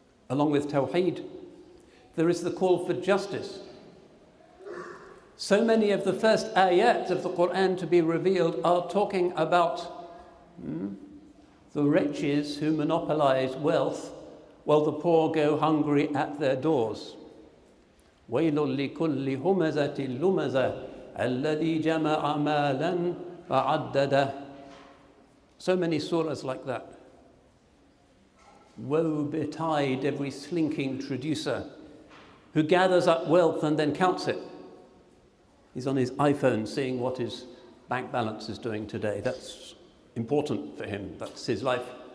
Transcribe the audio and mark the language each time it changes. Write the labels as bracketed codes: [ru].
[en] Along with Tawheed, there is the call for justice. So many of the first ayat of the Quran to be revealed are talking about the wretches who monopolize wealth while the poor go hungry at their doors. [ar] وَيْلٌ لِكُلِّ هُمَزَةٍ لُمَزَةٍ الَّذِي جَمَعَ مَالًا فَعَدَّدَهُ. [en] So many surahs like that. Woe betide every slinking traducer who gathers up wealth and then counts it. He's on his iPhone seeing what his bank balance is doing today. That's important for him. That's his life.